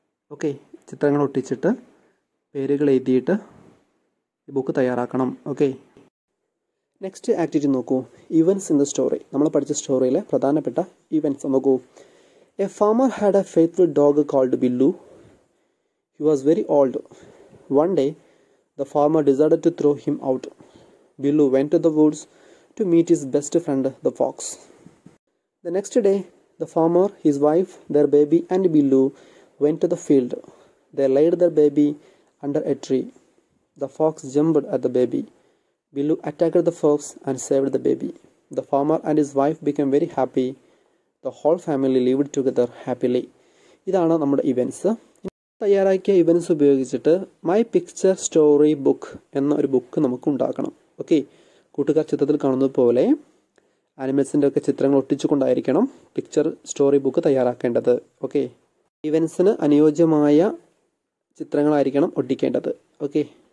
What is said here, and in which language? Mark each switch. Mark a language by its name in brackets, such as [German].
[Malayalam] Okay, ചിത്രങ്ങൾ ഒട്ടിച്ചിട്ട് പേരുകൾ എഴുതിയിട്ട് ഈ ബുക്ക് തയ്യാറാക്കണം. ഓക്കെ, നെക്സ്റ്റ് ആക്ടിവിറ്റി നോക്കൂ. [English] events in the story, [Malayalam] നമ്മൾ പഠിച്ച സ്റ്റോറിയിലെ പ്രധാനപ്പെട്ട ഇവൻസ് നോക്കൂ. [English] A farmer had a faithful dog called Billu. He was very old. One day, the farmer decided to throw him out. Billu went to the woods to meet his best friend, the fox. The next day, the farmer, his wife, their baby and Billu went to the field. They laid their baby under a tree. The fox jumped at the baby. Billu attacked the fox and saved the baby. The farmer and his wife became very happy. The whole family lived together happily. [Malayalam] ഇതാണ് നമ്മുടെ events. തയ്യാറാക്കിയ events ഉപയോഗിച്ചിട്ട് my picture story book എന്ന ഒരു book നമുക്ക് ഉണ്ടാക്കണം. Okay, കൂട്ടുകാർ ചിത്രത്തിൽ കാണുന്നതുപോലെ ആനിമൽസിൻ്റെ ഒക്കെ ചിത്രങ്ങൾ ഒട്ടിച്ചുകൊണ്ടായിരിക്കണം പിക്ചർ സ്റ്റോറി ബുക്ക് തയ്യാറാക്കേണ്ടത്. ഓക്കെ, ഇവൻസിന് അനുയോജ്യമായ ചിത്രങ്ങളായിരിക്കണം ഒട്ടിക്കേണ്ടത്. ഓക്കെ.